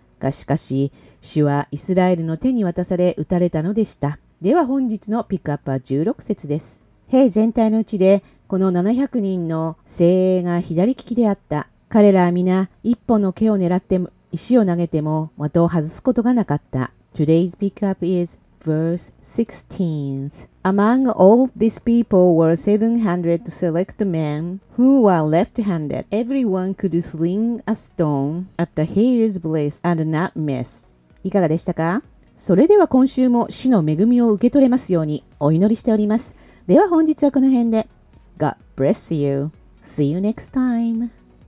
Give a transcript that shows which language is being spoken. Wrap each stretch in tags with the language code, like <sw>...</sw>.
<ja>がしかし主はイスラエルの手に渡され撃たれたのでした。では本日のピックアップは16節です。兵全体のうちでこの700人の精鋭が左利きであった。彼らは皆一本の毛を狙って石を投げても的を外すことがなかった。</ja> <en>Today's pickup is verse 16. Among all these people were 700 select men who were left-handed. Everyone could sling a stone at the hitter's bliss and not miss.</en> <ja>いかがでしたか？それでは今週も主の恵みを受け取れますようにお祈りしております。では本日はこの辺で。</ja> <en>God bless you. See you next time.</en>